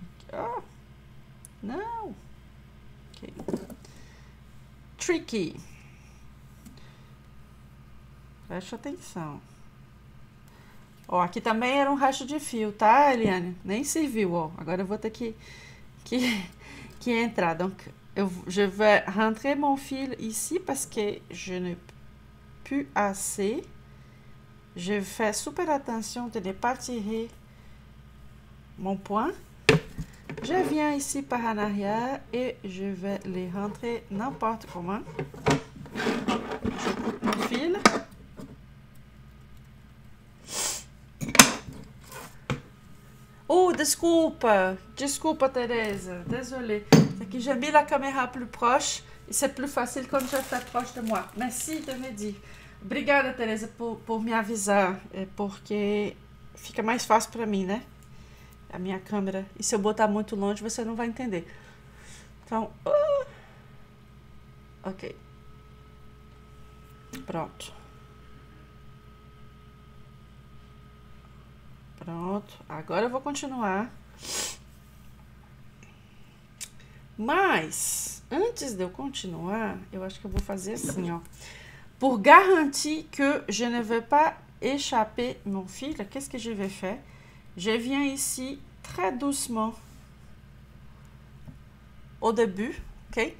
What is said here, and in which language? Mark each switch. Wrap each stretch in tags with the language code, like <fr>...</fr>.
<pt>Ah! Não! Okay. Tricky. Preste atenção. Ó, aqui também era um resto de fio, tá, Eliane? Nem serviu, ó. Agora eu vou ter que entrar.</pt> <fr>Donc. Je vais rentrer mon fil ici parce que je n'ai plus assez. Je fais super attention de ne pas tirer mon point. Je viens ici par en arrière et je vais les rentrer n'importe comment. Je coupe mon fil.</fr> <pt>Oh, desculpa! Desculpa, Thérèse.</pt> <fr>Désolée. C'est que j'ai mis la caméra plus proche et c'est plus facile quand je fais proche de moi. Merci de me dire.</fr> <pt>Obrigada, Thérèse, pour me avisar. É porque fica mais fácil para mim, né? A minha câmera. E se eu botar muito longe, você não vai entender. Então. Ok. Pronto. Pronto, agora eu vou continuar. Mas, antes de eu continuar, eu acho que eu vou fazer assim, ó. Por garantir</pt> <fr>que je ne vais pas échapper mon fil, qu'est-ce que je vais faire? Je viens ici très doucement au début, ok?</fr>